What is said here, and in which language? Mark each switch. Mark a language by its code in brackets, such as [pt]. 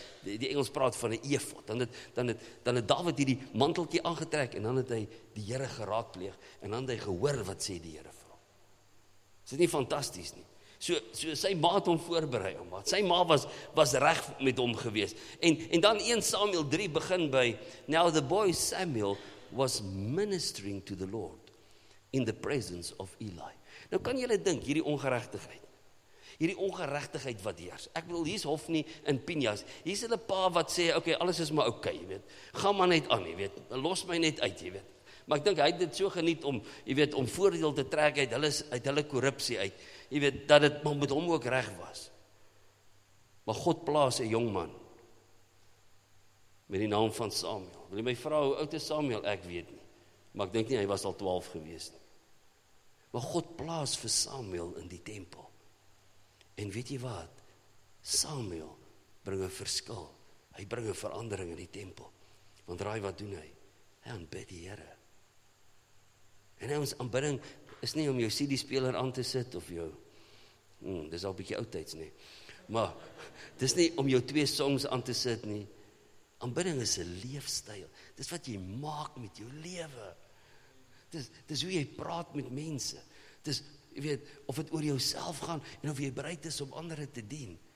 [af] Die Engels praat van 'n ephod. Dan het David hierdie manteltjie aangetrek en dan het hy die Here geraadpleeg en dan het hy gehoor wat sê die Here vir hom. Is dit nie fantasties nie? So sy ma het hom voorberei, maar sy ma was reg met hom gewees. [en] En dan 1 Samuel 3 begin by Now the boy Samuel was ministering to the Lord in the presence of Eli. [af] Nou kan julle dink hierdie ongeregtigheid. Hierdie ongeregtigheid wat heers. Ek bedoel, hier is Hofni in Pinjas. Hier is hulle pa wat sê, oké, okay, alles is maar oké, okay, jy weet. Ga maar net aan, jy weet. Los my net uit, jy weet. Maar ek dink, hy het dit so geniet om, jy weet, om voordeel te trek uit hulle korrupsie uit. Jy weet, dat het maar met hom ook reg was. Maar God plaas 'n jong man met die naam van Samuel. Wil jy my vra hoe oud is Samuel? Ek weet nie. Maar ek dink nie, hy was al 12 gewees nie. Maar God plaas vir Samuel in die tempel. En weet jy wat? Samuel bring 'n verskil. Hy bring 'n verandering in die tempel. Want raai wat doen hy? Hy aanbid die Here. En ons aanbidding is nie om jou CD-speler aan te sit of jou... dis al 'n bietjie oudtyds nie. Maar dis nie om jou twee songs aan te sit nie. Aanbidding is 'n leefstyl. Dis wat jy maak met jou lewe. Dis hoe jy praat met mense. Dis... Jy weet, of het oor jouself gaan, en of jy bereid is om andere te dien.